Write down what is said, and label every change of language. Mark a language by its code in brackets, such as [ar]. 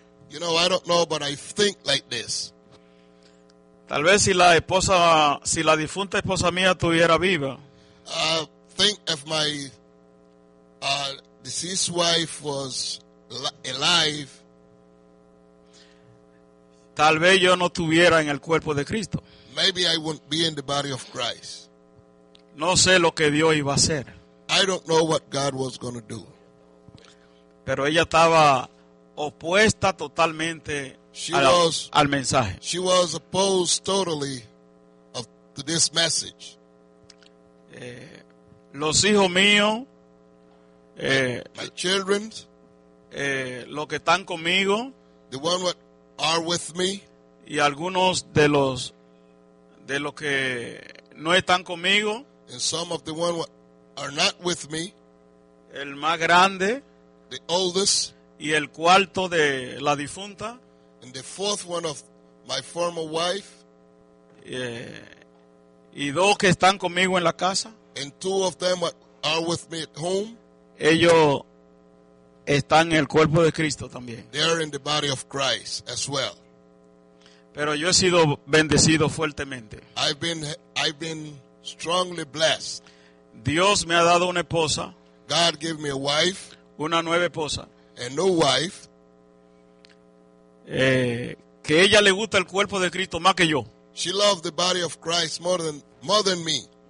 [en] You know, I don't know, but I think like this. [es] Tal vez si la esposa, si la difunta esposa mía estuviera viva. [en] I think if my deceased wife was alive, [es] tal vez yo no tuviera en el cuerpo de Cristo. [en] Maybe I wouldn't be in the body of Christ. [es] No sé lo que Dios iba a hacer. [en] I don't know what God was going to do. [es] Pero ella estaba opuesta totalmente al mensaje. [en] She was opposed totally to this message. [es] Los hijos míos, [en] my children, [es] los que están conmigo, [en] the one that are with me, [es] y algunos de los que no están conmigo, [en] and some of the one that are not with me, [es] el más grande, [en] the oldest, [es] y el cuarto de la difunta, [en] and the fourth one of my former wife, [es] y dos que están conmigo en la casa. [en] And two of them are with me at home. [es] Ellos están en el cuerpo de Cristo también. [en] They are in the body of Christ as well. [es] Pero yo he sido bendecido fuertemente. [en] I've been strongly blessed. [es] Dios me ha dado una esposa. [en] God gave me a wife. [es] Una nueva esposa. [en] A new wife. [es] Que ella le gusta el cuerpo de Cristo más que yo. [en] She loved the body of Christ more than me.